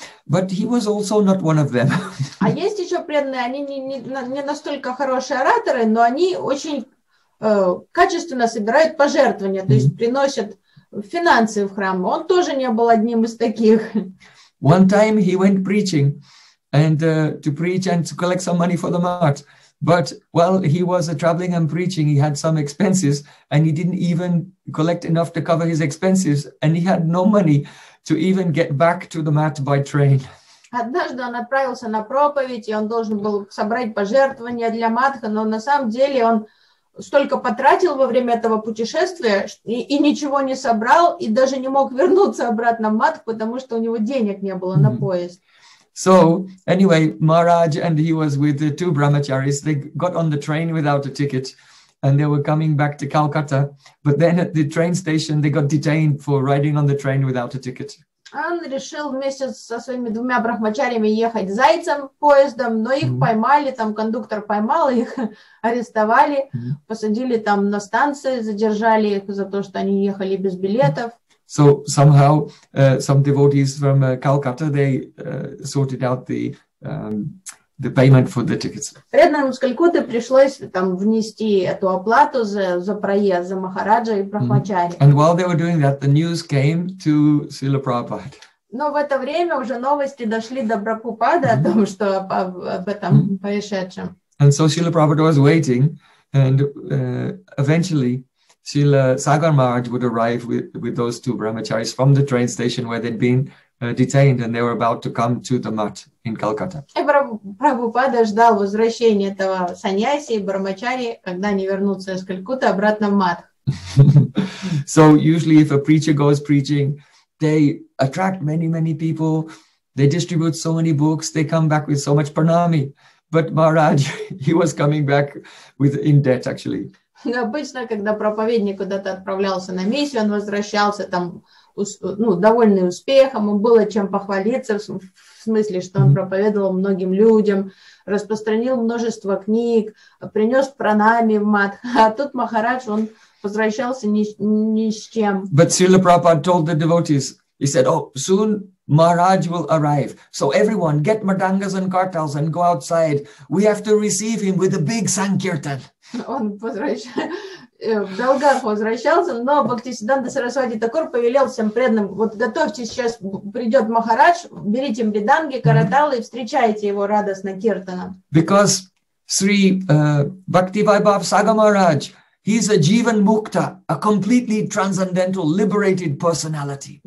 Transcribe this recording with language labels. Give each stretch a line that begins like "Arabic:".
English: But he was also not one of them.
Russian: А есть еще преданные, они не настолько хорошие ораторы, но они очень качественно собирают пожертвования, то есть приносят финансы в храм. Он тоже не был одним из таких.
English: One time he went preaching and to preach and to collect some money for the mart. But, well, he was traveling and preaching, he had some expenses, and he didn't even collect enough to cover his expenses, and he had no money to even get back to the mat by train.
Russian: Однажды он отправился на проповедь, и он должен был собрать пожертвования для матха, но на самом деле он столько потратил во время этого путешествия, и ничего не собрал, и даже не мог вернуться обратно в мат, потому что у него денег не было на поезд.
English: So, anyway, Maharaj and he was with the two brahmacharis. They got on the train without a ticket and they were coming back to Calcutta. But then at the train station, they got detained for riding on the train without a ticket.
Russian: Он решил вместе со своими двумя брахмачарями ехать зайцем поездом, но их поймали, там кондуктор поймал, их арестовали, посадили там на станции, задержали их за то, что они ехали без билетов.
English: So somehow some devotees from Calcutta they sorted out the payment for the tickets.
Russian: Преданным из Калькутты пришлось там внести эту оплату за проезд за Махараджа и Брахмачари.
English: And while they were doing that, the news came to Srila Prabhupada.
Russian: Но в это время уже новости дошли до Прабхупады о том, что об этом происшедшем.
English: And so Srila Prabhupada was waiting, and eventually Srila Sagar Maharaj would arrive with those two brahmacharis from the train station where they'd been detained and they were about to come to the mat in Calcutta.
Russian: Прабхупада ждал возвращения этого саньяси и брахмачари, когда они вернутся из Калькутты обратно в мат.
English: So usually if a preacher goes preaching, they attract many, many people, they distribute so many books, they come back with so much pranami. But Maharaj, he was coming back with in debt actually.
Russian: Обычно, когда проповедник куда-то отправлялся на миссию, он возвращался там, ну, довольный успехом, ему было чем похвалиться, в смысле, что он проповедовал многим людям, распространил множество книг, принес пранами в мат, а тут Махарадж, он возвращался ни с чем.
English: But Srila Prabhupada told the devotees, he said, oh, soon Maharaj will arrive. So everyone, get mardangas and kartals and go outside. We have to receive him with a big sankirtan.
Russian: Он в долгах возвращался, но Бхактисиддханта Сарасвати Такур повелел всем преданным, вот готовьтесь, сейчас придет Махарадж, берите мриданги, караталы и встречайте его радостно киртаном.
English: Because Sri Bhakti Vaibhav Saga Maharaj, he is a Jivan Mukta, a completely transcendental, liberated personality.